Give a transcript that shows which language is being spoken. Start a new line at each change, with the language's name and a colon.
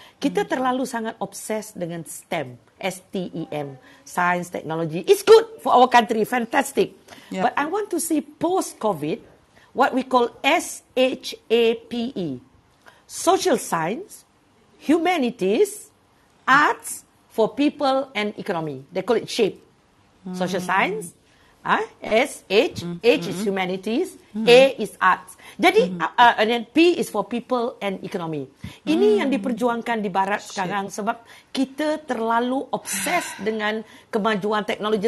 Malay: Kita terlalu sangat obses dengan STEM.
English: STEM, science, technology. It's good for our country, fantastic. Yeah. But I want to see post-COVID, what we call SHAPE, social science, humanities, arts for people and economy. They call it SHAPE. Social science, SH, H is humanities, A is arts. Jadi, and then P is for people and economy.
Malay: Ini yang diperjuangkan di barat sekarang sebab kita terlalu obses dengan kemajuan teknologi.